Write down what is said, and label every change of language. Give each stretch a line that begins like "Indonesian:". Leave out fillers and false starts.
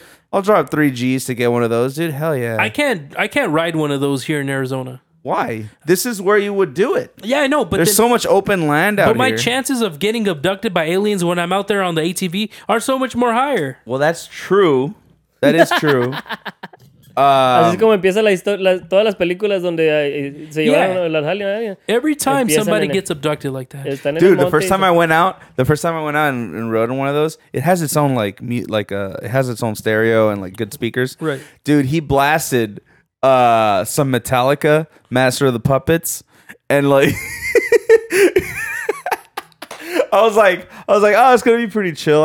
English: I'll drop 3 G's to get one of those, dude. Hell yeah. I can't ride one of those here in Arizona. Why? This is where you would do it. Yeah, I know. But there's so much open land out here. But my chances of getting abducted by aliens when I'm out there on the ATV are so much more higher. Well, that's true. That is true.
Spanish: Así como empieza la historia, todas las películas donde se llevaron
English: every time somebody gets abducted like that. Dude, the first time I went out and rode in one of those, it has its own it has its own stereo and like good speakers. Right. Dude, he blasted some Metallica, Master of the Puppets, and like I was like, oh, it's going to be pretty chill.